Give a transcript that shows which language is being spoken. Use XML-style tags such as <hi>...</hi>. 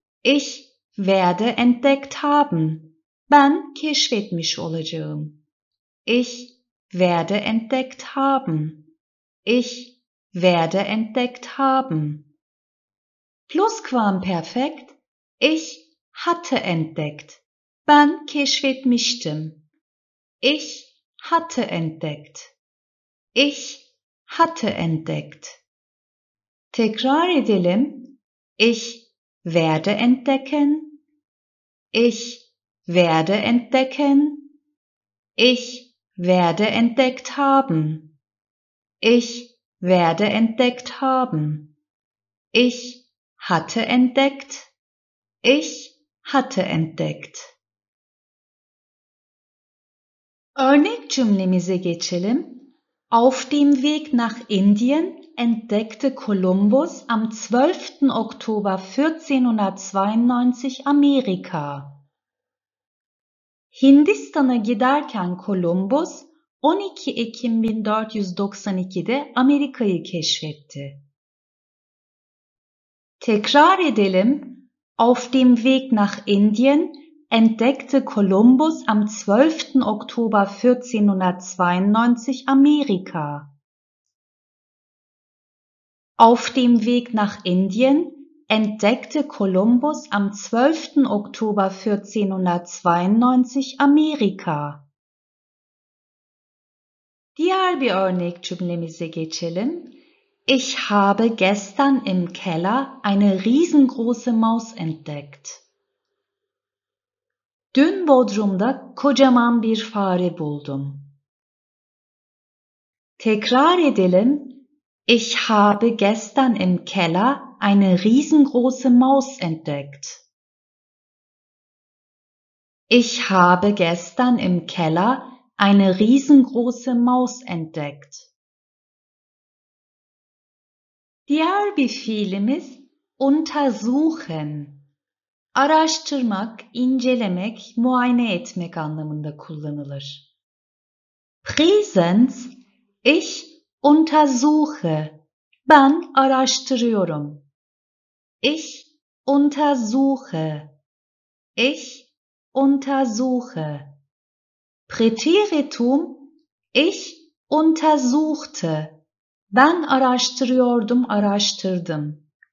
<de>Ich werde entdeckt haben.</de> <tr>Ben keşfetmiş olacağım.</tr> <de>Ich werde entdeckt haben. Ich werde entdeckt haben. Plusquamperfekt. Ich hatte entdeckt.</de> <tr>Ben keşfetmiştim.</tr> <de>Ich hatte entdeckt. Ich hatte entdeckt.</de> <tr>Tekrar edelim.</tr> <de>Ich werde entdecken, ich werde entdecken, ich werde entdeckt haben, ich werde entdeckt haben, ich hatte entdeckt, ich hatte entdeckt.</de> <tr>Örnek cümlemize geçelim.</tr> <de>Auf dem Weg nach Indien entdeckte Kolumbus am 12. Oktober 1492 Amerika.</de> <tr>Hindistan'a giderken Kolumbus 12 Ekim 1492'de Amerika'yı keşfetti. Tekrar edelim.</tr> <de>Auf dem Weg nach Indien entdeckte Kolumbus am 12. Oktober 1492 Amerika. Auf dem Weg nach Indien entdeckte Kolumbus am 12. Oktober 1492 Amerika.</de> <tr>Diğer bir örnek cümlemize geçelim.</tr> <de>Ich habe gestern im Keller eine riesengroße Maus entdeckt.</de> <tr>Dün Bodrum'da kocaman bir fare buldum. Tekrar edelim.</tr> <de>Ich habe gestern im Keller eine riesengroße Maus entdeckt. Ich habe gestern im Keller eine riesengroße Maus entdeckt.</de> <tr>Diğer bir fiilimiz untersuchen. Araştırmak, incelemek, muayene etmek anlamında kullanılır.</tr> <de>Präsens, ich untersuche.</de> <tr>Ben araştırıyorum.</tr> <de>Ich untersuche. Ich untersuche. Präteritum, ich untersuchte.</de> <tr>Ben araştırıyordum, araştırdım.</tr>